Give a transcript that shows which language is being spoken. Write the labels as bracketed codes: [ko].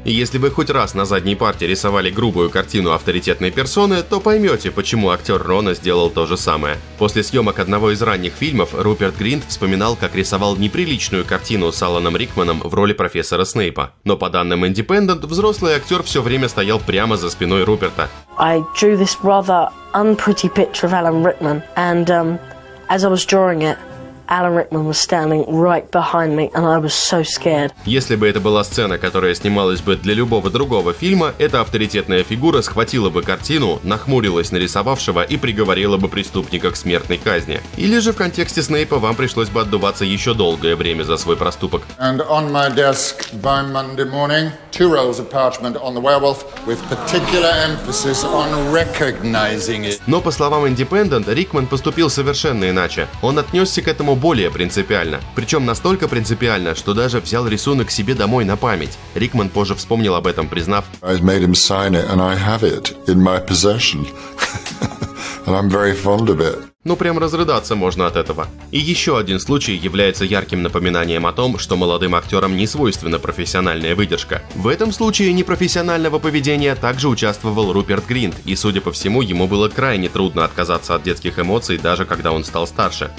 [ru] И если вы хоть раз на задней парте рисовали грубую картину авторитетной персоны, то поймете, почему актер Рона сделал то же самое. После съемок одного из ранних фильмов Руперт Гринт вспоминал, как рисовал неприличную картину с Аланом Рикманом в роли профессора Снейпа. Но по данным Independent, взрослый актер все время стоял прямо за спиной Руперта. [en] I drew this rather unpretty picture of Alan Rickman, and, as I was drawing it, Alan Rickman was standing right behind me, and I was so scared. [ru] Если бы это была сцена, которая снималась бы для любого другого фильма, эта авторитетная фигура схватила бы картину, нахмурилась на рисовавшего и приговорила бы преступника к смертной казни. Или же в контексте Снейпа вам пришлось бы отдуваться еще долгое время за свой проступок. [en] And on my desk by Monday morning, 2 rows of parchment on the werewolf, with particular emphasis on recognizing it. [ru] Но по словам Independent, Рикман поступил совершенно иначе. Он отнесся к этому более принципиально. Причем настолько принципиально, что даже взял рисунок себе домой на память. Рикман позже вспомнил об этом, признав: [en] I've made him sign it, and I have it in my possession. And I'm very fond of it. [ru] Ну, прям разрыдаться можно от этого. И еще один случай является ярким напоминанием о том, что молодым актерам не свойственна профессиональная выдержка. В этом случае непрофессионального поведения также участвовал Руперт Гринт, и, судя по всему, ему было крайне трудно отказаться от детских эмоций, даже когда он стал старше.